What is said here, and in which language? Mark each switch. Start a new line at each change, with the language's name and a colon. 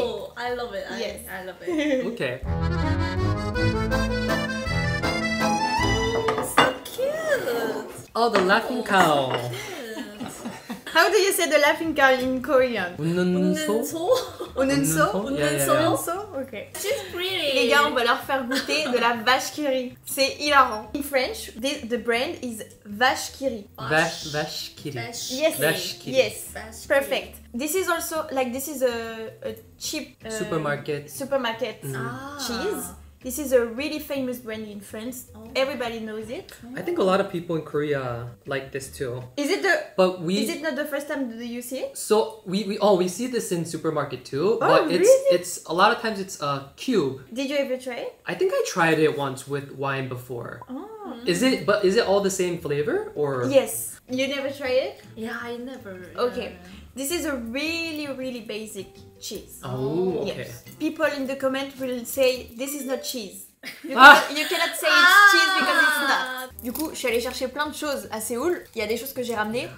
English: Oh, I love it. Yes. I love it. Okay. So cute! Oh, the laughing cow. So cute. How do you say the laughing cow in Korean?
Korean: 웃는 소? 웃는 소? 웃는 소? Okay.
English: She's pretty.
French: Les gars, on va leur faire goûter de la vache qui rit. C'est hilarant.
English: In French, the brand is vache qui rit.
French: Vache qui rit.
English: Yes.
French: Vache qui rit.
English: Yes. Perfect. This is also, like, this is a cheap supermarket cheese. This is a really famous brand in France. Oh. Everybody knows it. I think a lot of people in Korea like this too. Is it the? But we. Is it not the first time that you see it? So we see this in supermarket too. Oh, but really? It's a lot of times it's a cube. Did you ever try it? I think I tried it once with wine before. Oh. Is it all the same flavor or? Yes. You never tried it? Yeah, I never. Okay. This is a really, really basic cheese. Oh, okay. Yes. People in the comment will say this is not cheese. You cannot say it's cheese because it's not.
French: Du coup, je suis allée chercher plein de choses à Séoul. Il y a des choses que j'ai ramenées.